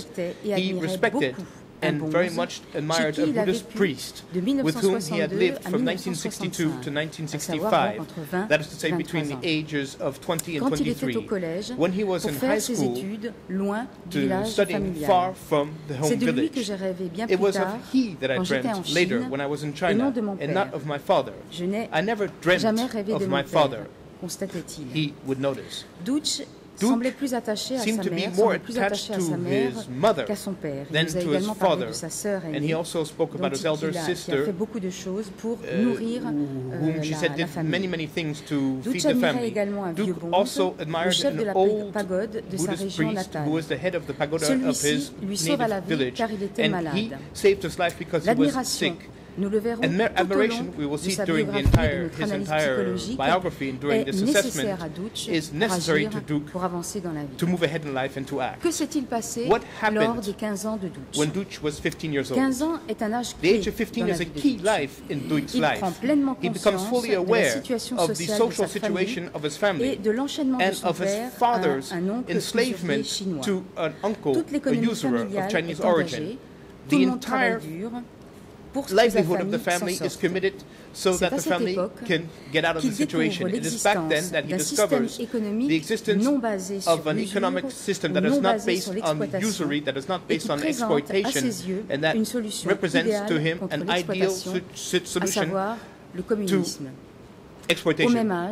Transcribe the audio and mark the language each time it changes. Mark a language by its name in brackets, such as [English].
[English] He respected and very much admired a Buddhist priest with whom he had lived from 1962 to 1965, that is to say between the ages of 20 and 23, when he was in high school to study far from the home village. It was of he that I dreamt later when I was in China, and not of my father. I never dreamt of my father, he would notice. [French] Duc semblait plus attaché à sa mère, qu'à son père. Il nous a également parlé de sa sœur aînée, dont il a fait beaucoup de choses pour nourrir la famille. Duc admirait également un vieux bonze, le chef de la pagode de sa région natale. Celui-ci lui sauva la vie car il était malade. L'admiration, nous le verrons tout au long de sa biographie, de notre analyse psychologique, est nécessaire à Duc pour agir, pour avancer dans la vie. [English] To move ahead in life and to act. [French] Que s'est-il passé lors des 15 ans de Duc? [English] When Duc was 15 years old. [French] 15 ans est un âge clé dans la vie de Duc. Il prend pleinement conscience de la situation sociale de sa famille et de l'enchaînement de son père à un oncle usurier chinois. Toute l'économie familiale est engagée, tout le monde travaille dur. [English] The livelihood of the family is committed so that the family can get out of the situation. It is back then that he discovers the existence of an economic system that is not based on usury, that is not based on exploitation, and that represents to him an ideal solution to exploitation.